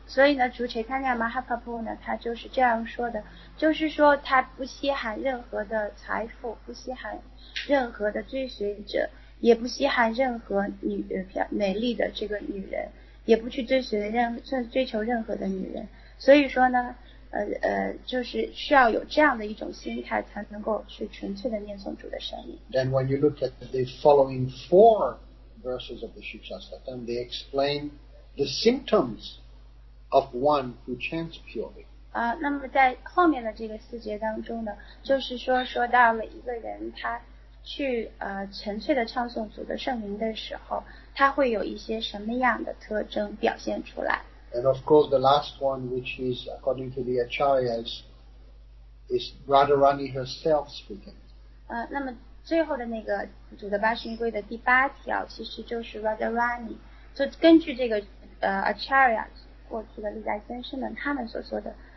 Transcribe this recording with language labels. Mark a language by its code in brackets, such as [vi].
[zh] 所以呢，主持参加马哈帕布呢，他就是这样说的，就是说他不稀罕任何的财富，不稀罕任何的追随者，也不稀罕任何美丽的这个女人，也不去追求任何的女人。所以说呢，就是需要有这样的一种心态，才能够去纯粹的念诵主的圣名。 [en] Then when you look at the following four. Verses of the Shikshastakam, and they explain the symptoms of one who chants purely. [zh] 那么在后面的这个四节当中呢，就是说到了一个人他去纯粹的唱诵主的圣名的时候，它会有一些什么样的特征表现出来？ [en] And of course, the last one, which is according to the Acharyas, is Radharani herself speaking. [zh] 那么最后的那个主的八旬规的第八条，其实就是 Radharani， 就根据这个Acharyas 过去的历代先生们他们所说的。